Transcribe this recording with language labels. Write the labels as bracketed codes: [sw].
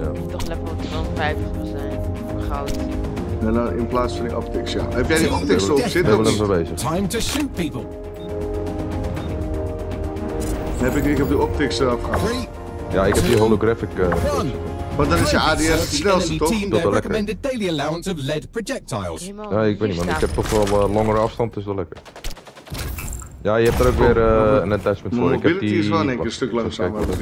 [nl] toch level 250 zijn. Goud. Nee, nou, in plaats van die optics, ja. Heb jij die optics erop zitten? We hebben hem verwezen. [en] Time to shoot people. [nl] Heb ik de optics eraf gehad? Ja, ik heb die holographic. Maar dan is je ADS het snelste toch? Dat is wel lekker. [en] Daily allowance of lead projectiles. [nl] Ja, ik weet niet, man. Ik heb toch wel langere afstand, is wel lekker. Ja, je hebt er ook weer een attachment voor. [en] Mobility [nl] ik heb die... is wel een keer een stuk langzamer.